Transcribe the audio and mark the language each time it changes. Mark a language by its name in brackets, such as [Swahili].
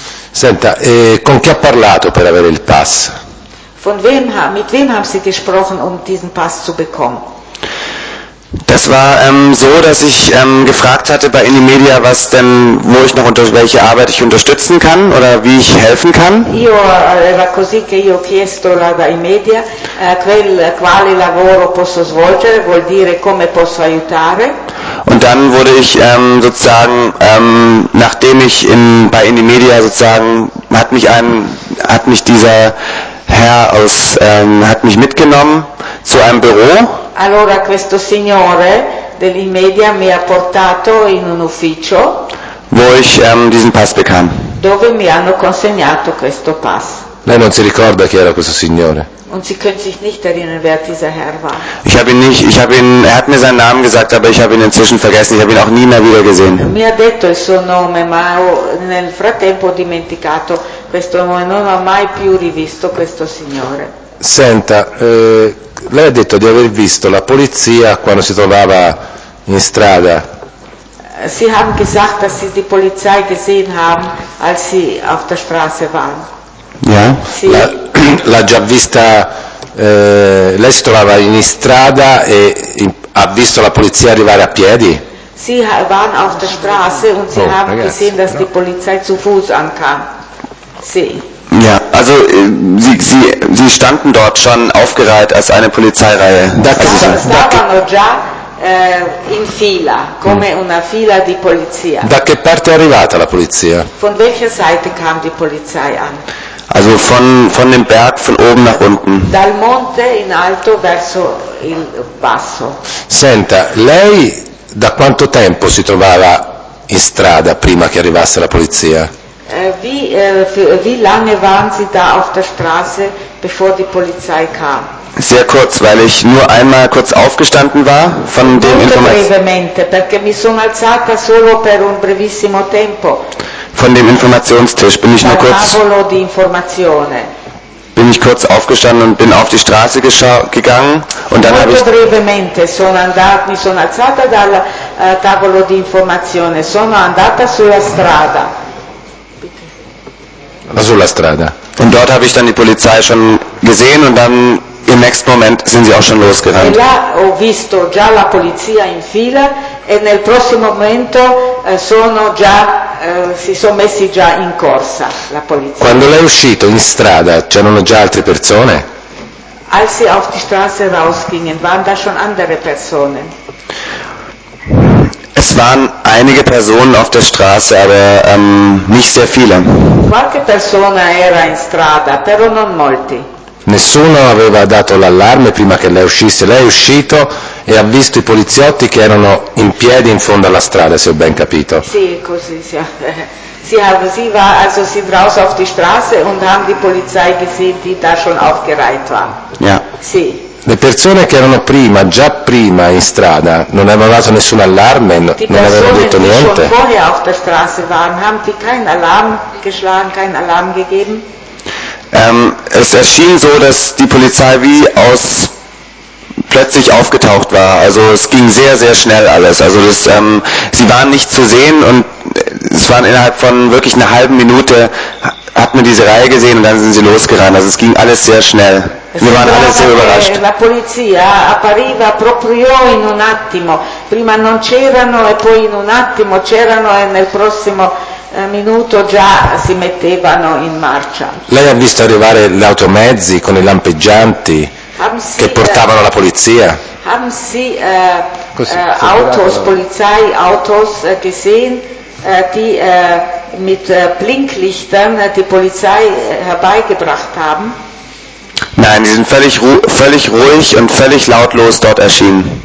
[Italian] Senta, con chi ha parlato per avere il pass? [German] Mit wem haben Sie gesprochen, um diesen Pass zu bekommen? Das war so, dass ich gefragt hatte bei Indimedia, was denn, wo ich noch unter welche Arbeit ich unterstützen kann oder wie ich helfen kann. [Italian] Io era così che io ho chiesto da Indimedia quale lavoro posso svolgere, vuol dire come posso aiutare. [German] Und dann wurde ich sozusagen, nachdem ich bei Indimedia sozusagen, hat mich mitgenommen zu einem Büro. [Italian] Allora questo signore dell'Imedia mi ha portato in un ufficio. [German] Wo ich diesen Pass bekam. [Italian] Dove mi hanno consegnato questo pass. Lei non si ricorda chi era questo signore. [German] Und Sie können sich nicht erinnern, wer dieser Herr war. Ich habe ihn nicht, er hat mir seinen Namen gesagt, aber ich habe ihn inzwischen vergessen, ich habe ihn auch nie mehr wieder gesehen. [Italian] Mi ha detto il suo nome, ma nel frattempo ho dimenticato questo uomo non ha mai più rivisto questo signore. Senta, lei ha detto di aver visto la polizia quando si trovava in strada. [German] Sie haben gesagt, dass Sie die Polizei gesehen haben, als Sie auf der Straße waren. [Italian] Ja, l'ha già vista, lei si trovava in strada e ha visto la polizia arrivare a piedi? [German] Sie waren auf der Straße und Sie haben gesehen, dass die Polizei zu Fuß ankam. Sie. Ja, also sie standen dort schon aufgereiht als eine Polizeireihe. [Italian] Da stavano già in fila, come una fila di polizia. Da che parte è arrivata la polizia? [German] Von welcher Seite kam die Polizei an? Also von dem Berg von oben nach unten. [Italian] Dal monte in alto verso il basso. Senta, lei da quanto tempo si trovava in strada prima che arrivasse la polizia? [German] Wie lange waren Sie da auf der Straße, bevor die Polizei kam? Sehr kurz, weil ich nur einmal kurz aufgestanden war von dem Informationstisch. [Italian] Perché mi sono alzata solo per un brevissimo tempo. [German] Von dem Informationstisch bin ich nur kurz. [Italian] Tavolo di informazione. [German] Bin ich kurz aufgestanden und bin auf die Straße gegangen und dann habe ich. [Italian] Molto brevemente sono andata, mi sono alzata dal tavolo di informazione, sono andata sulla strada. Sulla strada. [German] Und dort habe ich dann die Polizei schon gesehen und dann im nächsten Moment sind sie auch schon losgerannt. [Italian] Là ho visto già la polizia in fila e nel prossimo momento sono già si sono messi già in corsa la polizia. Quando lei è uscito in strada c'erano già altre persone? [German] Als sie auf die Straße rausgingen, waren da schon andere Personen. Es waren einige Personen auf der Straße, aber nicht sehr viele. [Italian] Qualche persona era in strada, però non molti. Nessuno aveva dato l'allarme prima che lei uscisse. Lei è uscito e ha visto i poliziotti che erano in piedi in fondo alla strada, se ho ben capito. Sì, così sì. [German] Also sie draus auf die Straße und haben die Polizei gesehen, die da schon aufgereiht war. Ja. [Italian] Sì. Le persone che erano prima, già prima in strada, non avevano dato nessun allarme, non avevano detto niente. [German] Die persone, die schon vorher auf der Straße waren, haben die keinen Alarm geschlagen, keinen Alarm gegeben? Es erschien so, dass die Polizei wie aus plötzlich aufgetaucht war. Also es ging sehr, sehr schnell alles. Also das, sie waren nicht zu sehen und es waren innerhalb von wirklich einer halben Minute, hat man diese Reihe gesehen und dann sind sie losgerannt. Also es ging alles sehr schnell. Wir waren alle sehr überrascht. [Italian] La polizia appariva proprio in un attimo. Prima non c'erano e poi in un attimo c'erano e nel prossimo minuto già si mettevano in marcia. Lei ha visto arrivare gli automezzi con i lampeggianti che portavano la polizia? [German] Haben Sie Autos, Polizei, Autos gesehen, die mit Blinklichtern die Polizei herbeigebracht haben? Nein, die sind völlig ruhig und völlig lautlos dort erschienen.